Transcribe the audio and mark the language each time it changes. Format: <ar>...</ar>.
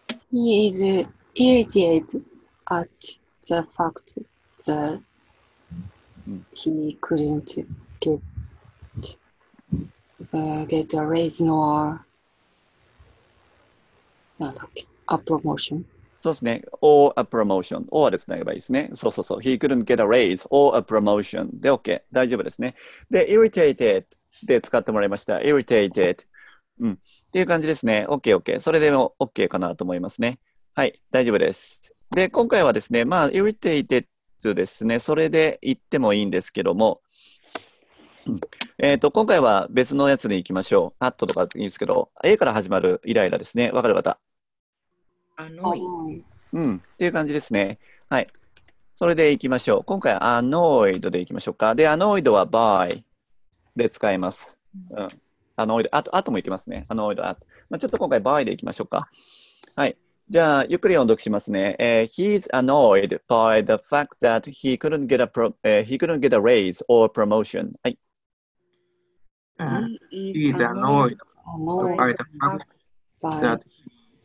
<en>He is irritated at the fact that he couldn't get a raise nor a promotion.</en> <ja>そうですね。</ja> <en>or a promotion.</en> <ja>or でつなげばいいですね。そうそうそう。</ja> <en>He couldn't get a raise or a promotion.</en> <ja>で、OK。大丈夫ですね。で、irritated で使ってもらいました。irritated。 うん。っていう感じですね。OK、OK。それでも OK かなと思いますね。はい。大丈夫です。で、今回はですね、まあ、irritated ですね。それで言ってもいいんですけども、今回は別のやつに行きましょう。アットとかいいんですけど、A から始まるイライラですね。わかる方？アノイ。うん。っていう感じですね。はい。それで行きましょう。今回はアノイドで行きましょうか。で、アノイドは by で使います。うん。アノイド、あとも行きますね。アノイド、あと。まあ、ちょっと今回 by で行きましょうか。はい。じゃあ、ゆっくり音読しますね。</ja> <en>He's annoyed by the fact that he couldn't get he couldn't get a raise or promotion.</en> <ja>はい。</ja> <en>He is annoyed by the fact that he</en>